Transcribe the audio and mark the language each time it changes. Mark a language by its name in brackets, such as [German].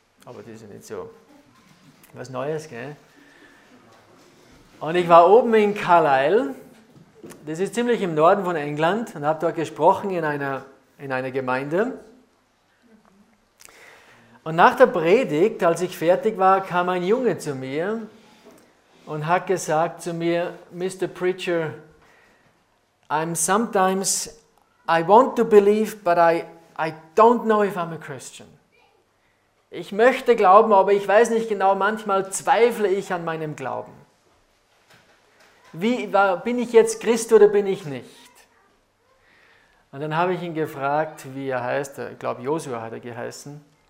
[German] Aber das ist ja nicht so was Neues, gell? Und ich war oben in Carlisle, das ist ziemlich im Norden von England, und habe dort gesprochen in einer Gemeinde. Und nach der Predigt, als ich fertig war, kam ein Junge zu mir und hat gesagt zu mir: Mr. [English] Preacher, I want to believe, but I don't know if I'm a Christian. [German] Ich möchte glauben, aber ich weiß nicht genau, manchmal zweifle ich an meinem Glauben. Bin ich jetzt Christ oder bin ich nicht? Und dann habe ich ihn gefragt, wie er heißt. Ich glaube, Joshua hat er geheißen.